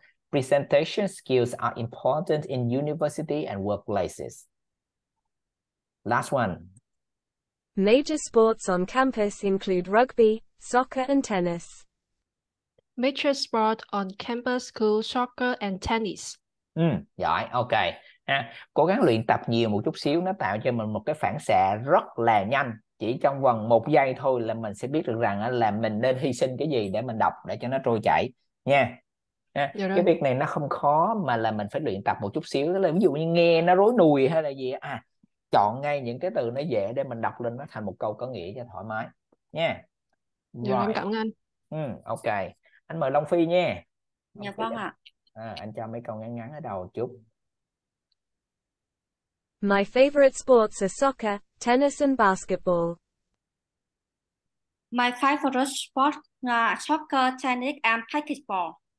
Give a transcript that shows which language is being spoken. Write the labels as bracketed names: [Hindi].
[English] Presentation skills are important in university and workplaces. Last one. Major sports on campus include rugby, soccer, and tennis. Major sport on campus include soccer and tennis. [Vietnamese] Giỏi, ok. Cố gắng luyện tập nhiều một chút xíu, nó tạo cho mình một cái phản xạ rất là nhanh. Chỉ trong vòng một giây thôi là mình sẽ biết được rằng là mình nên hy sinh cái gì để mình đọc để cho nó trôi chảy nha. Dạ Cái rồi. việc này nó không khó mà là mình phải luyện tập một chút xíu, đó là ví dụ như nghe nó rối nùi hay là gì chọn ngay những cái từ nó dễ để mình đọc lên nó thành một câu có nghĩa cho thoải mái nha. Dạ rồi, Rồi. em cảm ơn anh. Ok, anh mời Long Phi nha. Long Dạ Phi vâng ạ. anh cho mấy câu ngắn ngắn ở đầu chút. [English] My favorite sports are soccer, tennis and basketball. My favorite sport là soccer, tennis and basketball.